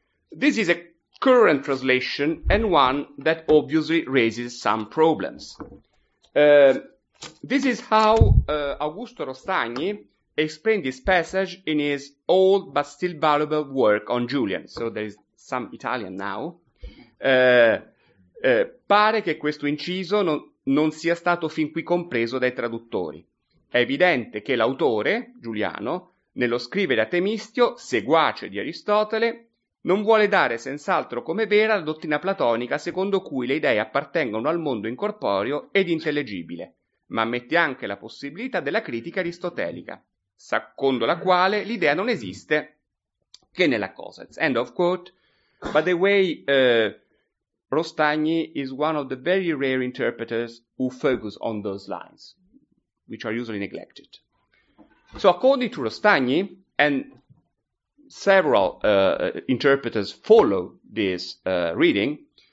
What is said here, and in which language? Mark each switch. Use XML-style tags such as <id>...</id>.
<en>This is a current translation and one that obviously raises some problems. This is how Augusto Rostagni explained this passage in his old but still valuable work on Julian. So there is some Italian now.</en> <it>Pare che questo inciso non sia stato fin qui compreso dai traduttori. È evidente che l'autore, Giuliano, nello scrivere a Temistio, seguace di Aristotele, non vuole dare senz'altro come vera la dottrina platonica secondo cui le idee appartengono al mondo incorporeo ed intellegibile, ma ammette anche la possibilità della critica aristotelica, secondo la quale l'idea non esiste che nella cosa.</it> <en>End of quote. By the way, Rostagni is one of the very rare interpreters who focus on those lines, which are usually neglected. So according to Rostagni, and several interpreters follow this reading,</en>